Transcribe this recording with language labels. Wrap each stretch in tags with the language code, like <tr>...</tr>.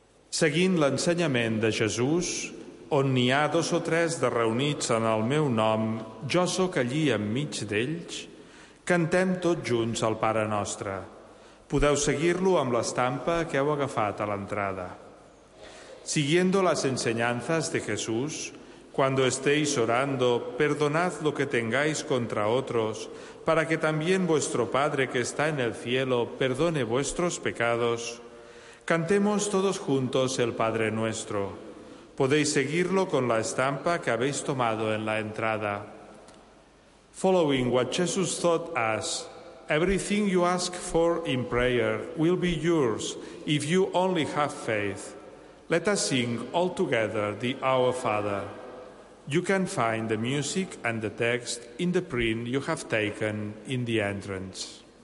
<ca>Seguint l'ensenyament de Jesús, on n'hi ha dos o tres de reunits en el meu nom, jo sóc allí enmig d'ells, cantem tots junts el Pare Nostre. Podeu seguir-lo amb l'estampa que heu agafat a l'entrada.</ca> <es>Siguiendo las enseñanzas de Jesús, cuando estéis orando, perdonad lo que tengáis contra otros, para que también vuestro Padre que está en el cielo perdone vuestros pecados. Cantemos todos juntos el Padre Nuestro. Podéis seguirlo con la estampa que habéis tomado en la entrada.</es> <en>Following what Jesus taught us, everything you ask for in prayer will be yours if you only have faith. Let us sing all together the Our Father. You can find the music and the text in the print you have taken in the entrance.</en>